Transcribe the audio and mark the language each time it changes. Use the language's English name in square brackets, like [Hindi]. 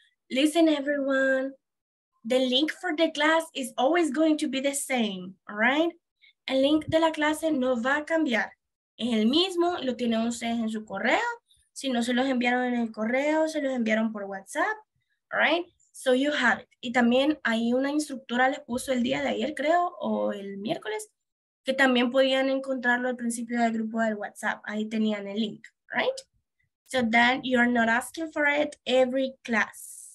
[English] Listen, everyone, the link for the class is always going to be the same, all right? [Spanish] El link de la clase no va a cambiar. Es el mismo, lo tienen ustedes en su correo. Si no se los enviaron en el correo, se los enviaron por WhatsApp, all right? [English] So you have it. [Spanish] Y también hay una instructora, les puso el día de ayer, creo, o el miércoles, que también podían encontrarlo al principio del grupo del WhatsApp. Ahí tenían el link, right? [English] So then you're not asking for it every class.